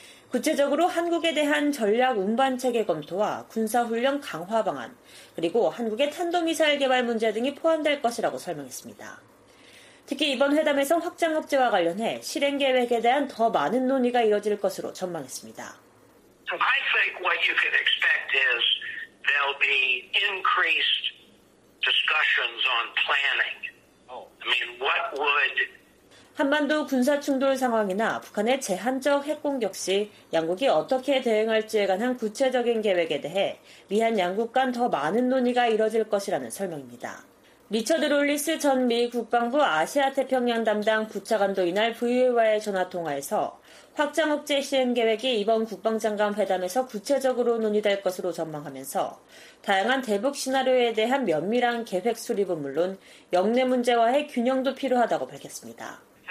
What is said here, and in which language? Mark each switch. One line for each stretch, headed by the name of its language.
Korean: 구체적으로 한국에 대한 전략 운반 체계 검토와 군사훈련 강화 방안, 그리고 한국의 탄도미사일 개발 문제 등이 포함될 것이라고 설명했습니다. 특히 이번 회담에서 확장 억제와 관련해 실행 계획에 대한 더 많은 논의가 이뤄질 것으로 전망했습니다.
English: I think what you can expect is there'll be increased discussions on planning. I mean, what would
Korean: 한반도 군사 충돌 상황이나 북한의 제한적 핵 공격 시 양국이 어떻게 대응할지에 관한 구체적인 계획에 대해 미한 양국 간 더 많은 논의가 이뤄질 것이라는 설명입니다. 리처드 롤리스 전 미 국방부 아시아태평양 담당 부차관도 이날 VOA와의 전화통화에서 확장 억제 실행 계획이 이번 국방장관 회담에서 구체적으로 논의될 것으로 전망하면서 다양한 대북 시나리오에 대한 면밀한 계획 수립은 물론 역내 문제와의 균형도 필요하다고 밝혔습니다.